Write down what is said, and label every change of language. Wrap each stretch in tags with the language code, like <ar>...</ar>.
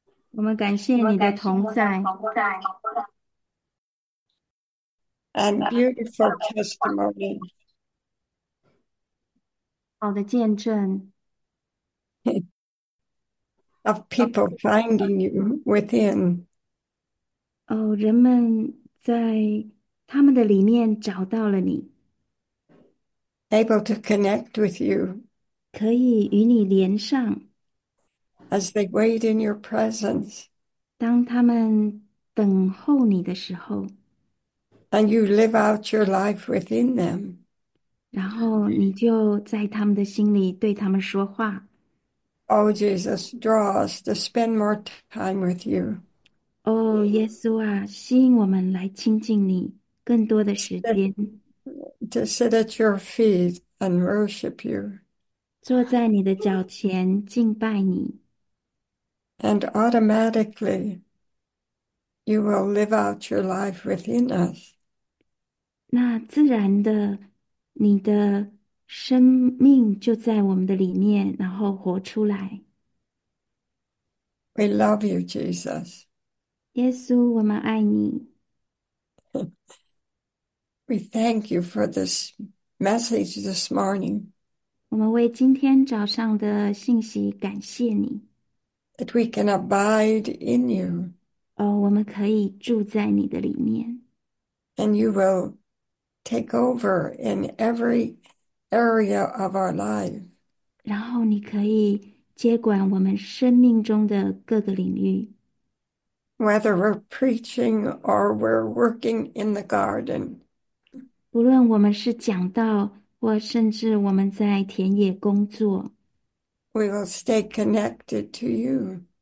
<zh>我们感谢你的同在。</zh> <en>And beautiful testimony.</en> <zh>好的见证。</zh> <en>Of people finding you within.</en> <zh>哦，人们在他们的里面找到了你。</zh> <en>Able to connect with you</en> <zh>可以与你连上，</zh> <en>as they wait in your presence.</en> <zh>当他们等候你的时候，</zh> <en>And you live out your life within them.</en> <zh>然后你就在他们的心里对他们说话。</zh> <en>Oh, Jesus, draw us to spend more time with you.</en> <zh>哦，耶稣啊，吸引我们来亲近你更多的时间，</zh> <en>To sit at your feet and worship you.</en> <zh>坐在你的脚前敬拜你。</zh> <en>And automatically, you will live out your life within us.</en> <zh>那自然的，你的生命就在我们的里面，然后活出来。</zh> <en>We love you, Jesus.</en> <zh>耶稣，我们爱你。</zh> <en>We thank you for this message this morning.</en> <zh>我们为今天早上的信息感谢你。</zh> <en>That we can abide in you.</en> <zh>哦，我们可以住在你的里面。</zh> <en>And you will take over in every area of our life.</en> <zh>然后你可以接管我们生命中的各个领域。</zh> <en>Whether we're preaching or we're working in the garden.</en> <zh>不论我们是讲道，或甚至我们在田野工作，</zh> <en>We will stay connected to you.</en>